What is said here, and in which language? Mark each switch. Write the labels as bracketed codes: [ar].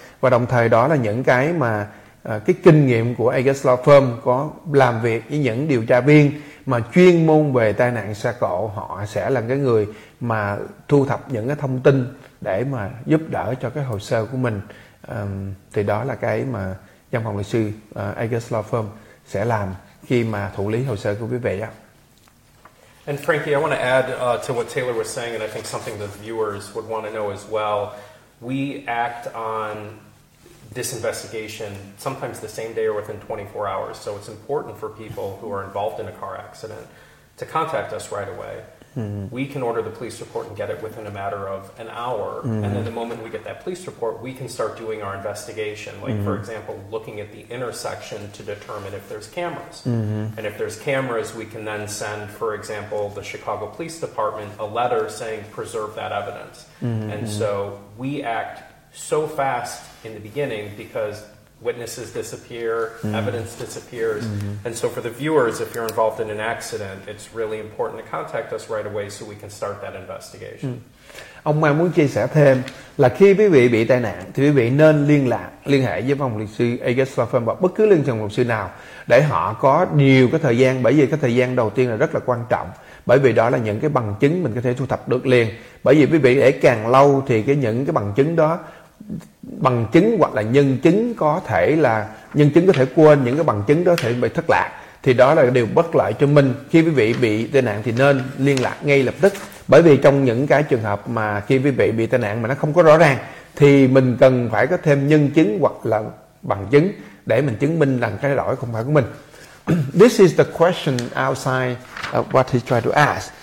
[vi] Và đồng thời đó là những cái mà cái kinh nghiệm của Agruss Law Firm có làm việc với những điều tra viên mà chuyên môn về tai nạn xe cộ, họ sẽ là cái người mà thu thập những cái thông tin để mà giúp đỡ cho cái hồ sơ của mình. Thì đó là cái mà văn phòng luật sư Agruss Law Firm sẽ làm khi mà thụ lý hồ sơ của quý vị á. [en] And Frankie, I want to add to what Taylor was saying, and I think something the viewers would want to know as well. We act on this investigation sometimes the same day or within 24 hours. So it's important for people who are involved in a car accident to contact us right away. Mm-hmm. We can order the police report and get it within a matter of an hour. Mm-hmm. And then the moment we get that police report, we can start doing our investigation. Like, mm-hmm. for example, looking at the intersection to determine if there's cameras. Mm-hmm. And if there's cameras, we can then send, for example, the Chicago Police Department a letter saying preserve that evidence. Mm-hmm. And so we act so fast in the beginning because witnesses disappear, mm-hmm. evidence disappears. Mm-hmm. And so for the viewers, if you're involved in an accident, it's really important to contact us right away so we can start that investigation. Mm. [vi] Ông Mai muốn chia sẻ thêm là khi quý vị bị tai nạn thì quý vị nên liên hệ với phòng luật sư Agruss Law Firm hoặc bất cứ liên trường luật sư nào để họ có nhiều cái thời gian, bởi vì cái thời gian đầu tiên là rất là quan trọng. Bởi vì đó là những cái bằng chứng mình có thể thu thập được liền. Bởi vì quý vị để càng lâu thì những cái bằng chứng hoặc là nhân chứng có thể là nhân chứng có thể quên, những cái bằng chứng đó có thể bị thất lạc, thì đó là điều bất lợi cho mình. Khi quý vị bị tai nạn thì nên liên lạc ngay lập tức. Bởi vì trong những cái trường hợp mà khi quý vị bị tai nạn mà nó không có rõ ràng thì mình cần phải có thêm nhân chứng hoặc là bằng chứng để mình chứng minh rằng cái lỗi không phải của mình. [en] This is the question outside of what he tried to ask.